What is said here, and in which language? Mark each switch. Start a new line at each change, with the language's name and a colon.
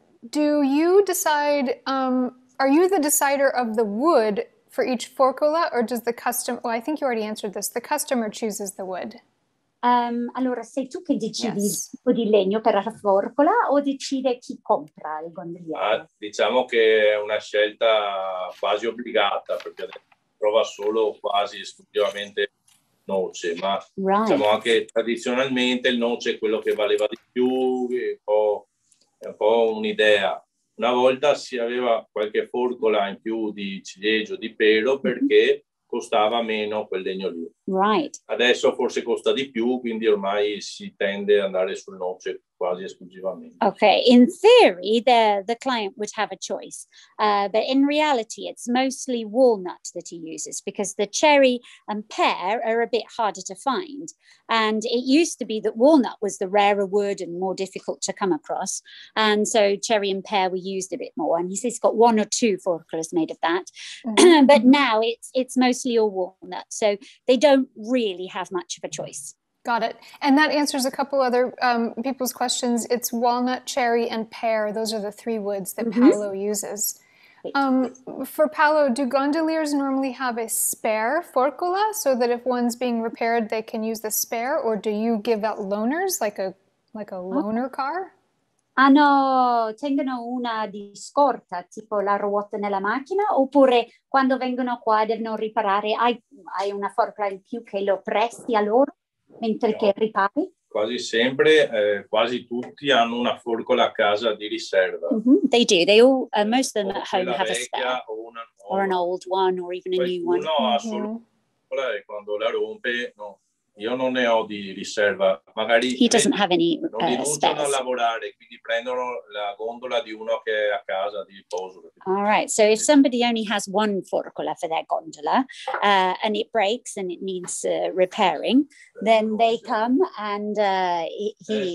English: Do you decide, are you the decider of the wood for each forcola, or does the customer? Well, I think you already answered this. The customer chooses the wood.
Italian: Allora, sei tu che decidi il tipo di legno per la forcola o decide chi compra il gondoliere? Diciamo che è una scelta quasi obbligata, perché prova solo quasi esclusivamente noce, ma diciamo anche tradizionalmente il noce è quello che valeva di più, è un po' un'idea. Una volta si aveva qualche forcola in più di ciliegio, di pero, perché costava meno quel legno lì.
English: Right.
Italian: Adesso forse costa di più, quindi ormai si tende ad andare sul noce quasi esclusivamente.
English: Okay, in theory the client would have a choice, but in reality it's mostly walnut that he uses because the cherry and pear are a bit harder to find. And it used to be that walnut was the rarer wood and more difficult to come across. And so cherry and pear were used a bit more. And he says he's got one or two forklers made of that. Mm-hmm. But now it's mostly all walnut. So they don't really have much of a choice. Got it. And that answers a couple other people's questions. It's walnut, cherry, and pear. Those are the three woods that mm-hmm. Paolo uses. For Paolo, do gondoliers normally have a spare forcola so that if one's being repaired, they can use the spare? Or do you give out loaners, like a loaner car?
Italian: Ah no, tengono una di scorta, tipo la ruota nella macchina, oppure quando vengono qua devono riparare, hai una forcola in più che lo presti a loro mentre no, che ripari? Quasi sempre, quasi tutti hanno una forcola a casa di riserva.
English: Mm-hmm, they do, they all, most of them at home have a spare.
Italian: O una nuova.
English: Or an old one, or even
Italian: qualcuno
English: a new one.
Italian: No, ha solo quella e quando la rompe, no. Io non ne ho di riserva, magari
English: he doesn't have any,
Italian: non rinunciano a lavorare, quindi prendono la gondola di uno che è a casa di riposo.
English: All right, so if somebody only has one forcola for their gondola and it breaks and it needs repairing, then they come and he...